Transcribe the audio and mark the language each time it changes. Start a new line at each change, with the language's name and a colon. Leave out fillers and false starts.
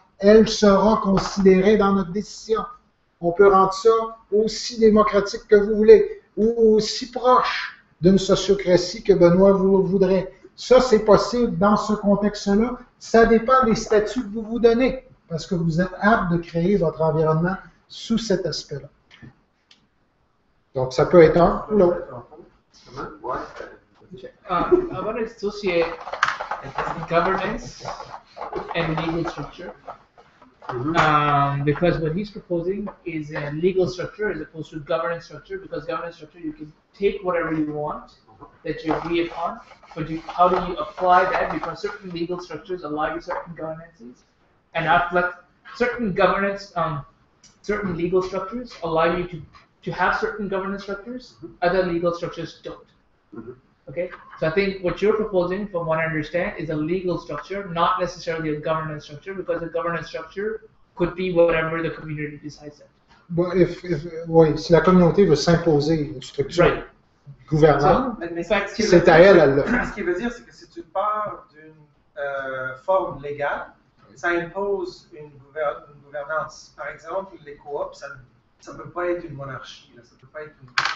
French: Elle sera considérée dans notre décision. On peut rendre ça aussi démocratique que vous voulez ou aussi proche d'une sociocratie que Benoît vous voudrait. Ça, c'est possible dans ce contexte-là. Ça dépend des statuts que vous vous donnez parce que vous êtes apte de créer votre environnement sous cet aspect-là. Donc, ça peut être un ou l'autre.
English: I want to associate governance and legal structure. Because what he's proposing is a legal structure as opposed to governance structure, because governance structure, you can take whatever you want that you agree upon, but how do you apply that? Because certain legal structures allow you certain governances, and certain legal structures allow you to have certain governance structures, other legal structures don't. Okay, so I think what you're proposing, from what I understand, is a legal structure, not necessarily a governance structure, because a governance structure could be whatever the community decides that.
French: Well, si la communauté veut s'imposer une structure
English: right.
French: gouvernante, c'est à elle à le faire. Ce qui veut dire, c'est que si tu pars d'une forme légale, ça impose une gouvernance. Par exemple, les coops, ça ne peut pas être une monarchie, là, ça ne peut pas être une.